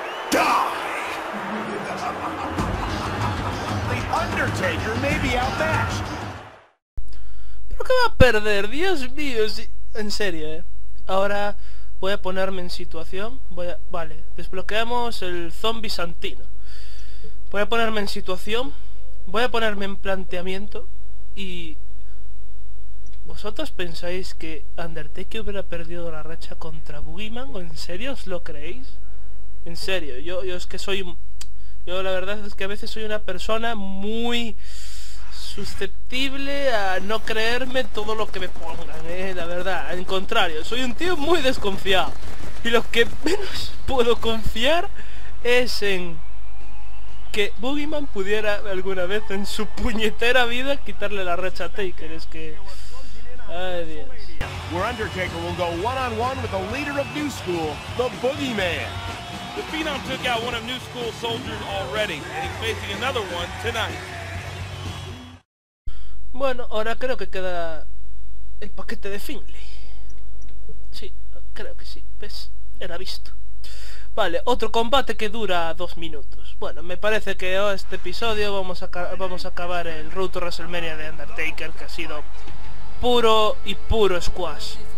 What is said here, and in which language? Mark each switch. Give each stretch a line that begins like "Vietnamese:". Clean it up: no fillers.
English: The Undertaker may be outmatched.
Spanish: ¿Pero qué va a perder? Dios mío, si... en serio, ¿eh? Ahora voy a ponerme en situación. Vale, desbloqueamos el zombie Santino. Voy a ponerme en situación. Voy a ponerme en planteamiento. Y... ¿vosotros pensáis que Undertaker hubiera perdido la racha contra Boogeyman? ¿O en serio os lo creéis? En serio, yo es que soy... yo la verdad es que a veces soy una persona muy susceptible a no creerme todo lo que me pongan, ¿eh? La verdad, al contrario, soy un tío muy desconfiado. Y lo que menos puedo confiar es en que Boogeyman pudiera alguna vez en su puñetera vida quitarle la racha a Taker. Es que... ay, Dios.
English: Where Undertaker will go one-on-one with the leader of New School, the Boogeyman. The Phenom took out one of New School soldiers already, and he's facing another one tonight.
Spanish: Bueno, ahora creo que queda el paquete de Finley. Sí, creo que sí. ¿Ves? Era visto. Vale, otro combate que dura 2 minutos. Bueno, me parece que este episodio vamos a acabar el Road to WrestleMania de Undertaker, que ha sido puro y puro squash.